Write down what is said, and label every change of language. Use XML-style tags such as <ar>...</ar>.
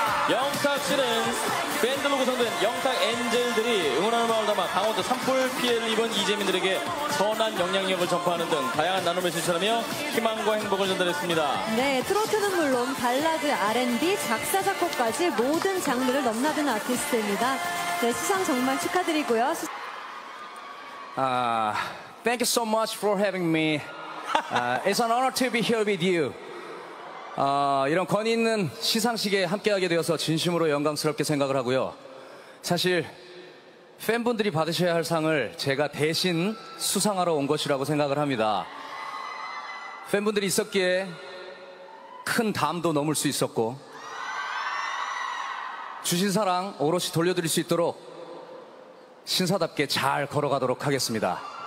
<ko>영탁 씨는 밴드로 구성된 영탁 엔젤들이 응원하는 마음을 담아 강원도 산불 피해를 입은 이재민들에게 선한 영향력을 전파하는 등 다양한 나눔을 실천하며 희망과 행복을 전달했습니다. 네, 트로트는 물론 발라드, R&B, 작사, 작곡까지 모든 장르를 넘나드는 아티스트입니다. 네, 수상 정말 축하드리고요.</ko> <en>Thank you so much for having me. It's an honor to be here with you.</en> <ko>이런 권위 있는 시상식에 함께하게 되어서 진심으로 영광스럽게 생각을 하고요. 사실 팬분들이 받으셔야 할 상을 제가 대신 수상하러 온 것이라고 생각을 합니다. 팬분들이 있었기에 큰 담도 넘을 수 있었고 주신 사랑 오롯이 돌려드릴 수 있도록 신사답게 잘 걸어가도록 하겠습니다.</ko>